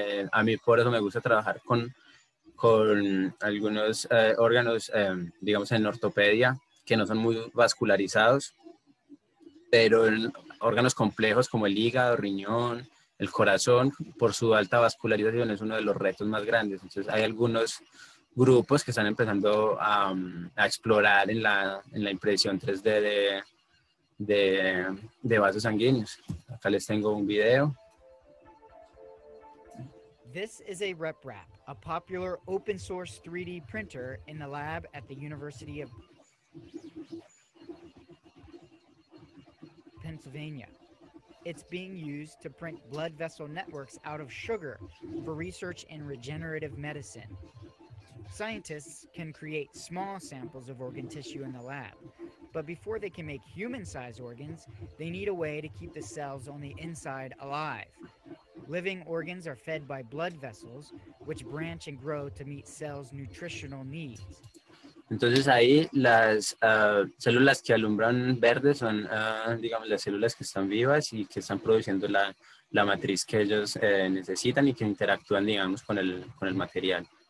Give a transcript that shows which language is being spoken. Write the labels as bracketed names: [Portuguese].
[Spanish] A mí por eso me gusta trabajar con algunos órganos, digamos, en ortopedia, que no son muy vascularizados, pero en órganos complejos como el hígado, riñón, el corazón, por su alta vascularización, es uno de los retos más grandes. Entonces, hay algunos grupos que están empezando a explorar en la impresión 3D de vasos sanguíneos. Acá les tengo un video. [English] This is a RepRap, a popular open source 3D printer in the lab at the University of Pennsylvania. It's being used to print blood vessel networks out of sugar for research in regenerative medicine. Scientists can create small samples of organ tissue in the lab, but before they can make human-sized organs, they need a way to keep the cells on the inside alive. Living organs are fed by blood vessels, which branch and grow to meet cells' nutritional needs. [Spanish] Entonces ahí las células que alumbran verde son, digamos, las células que están vivas y que están produciendo la matriz que ellos necesitan y que interactúan, digamos, con el material.